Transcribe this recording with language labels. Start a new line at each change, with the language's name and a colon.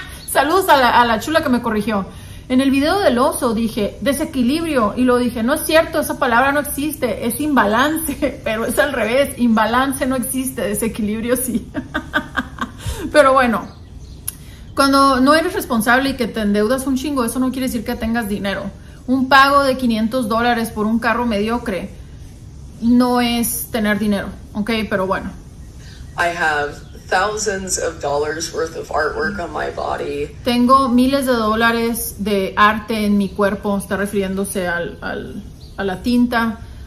Spanish: Saludos a la chula que me corrigió. En el video del oso dije desequilibrio, y lo dije, no es cierto, esa palabra no existe, es imbalance, pero es al revés, imbalance no existe, desequilibrio sí. Pero bueno. Cuando no eres responsable y que te endeudas un chingo, eso no quiere decir que tengas dinero. Un pago de $500 por un carro mediocre no es tener dinero, ¿ok? Pero bueno.
English: I have thousands of dollars worth of artwork on my body.
Spanish: Tengo miles de dólares de arte en mi cuerpo, está refiriéndose a la tinta.